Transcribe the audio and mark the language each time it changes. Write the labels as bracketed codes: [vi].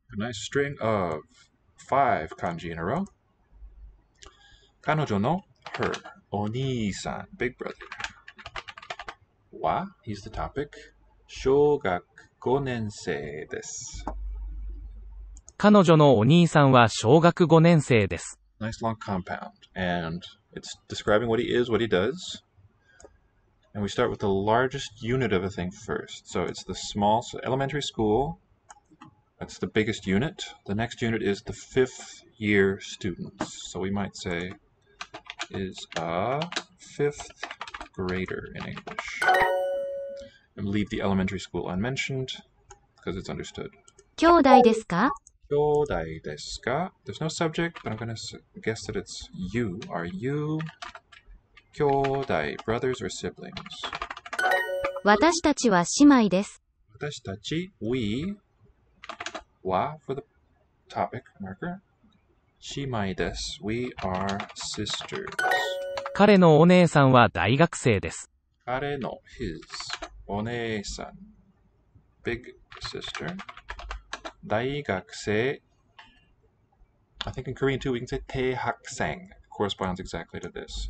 [en] A nice string of five kanji in a row. [ja] 彼女の [en] her, [ja] お兄さん, [en] big brother. は, he's the topic. [ja] 小学五年生です。彼女のお兄さんは小学五年生です。 [en] Nice long compound. And it's describing what he is, what he does. And we start with the largest unit of a thing first. So it's the small, so elementary school. That's the biggest unit. The next unit is the fifth year students. So we might say, is a fifth grader in English. And leave the elementary school unmentioned, because it's understood. [ja] 兄弟ですか? 兄弟ですか? [en] There's no subject, but I'm going to guess that it's you. Are you [ja] 兄弟, [en] brothers or siblings? [ja] 私たちは姉妹です。私たち, [en] we... Wa for the topic marker. [ja] Shimai desu. [en] We are sisters. [ja] 彼のお姉さんは大学生です。彼の [en] his [ja] お姉さん [en] big sister [ja] 大学生 [en] I think in Korean too we can say [ko] 대학생 [en] corresponds exactly to this.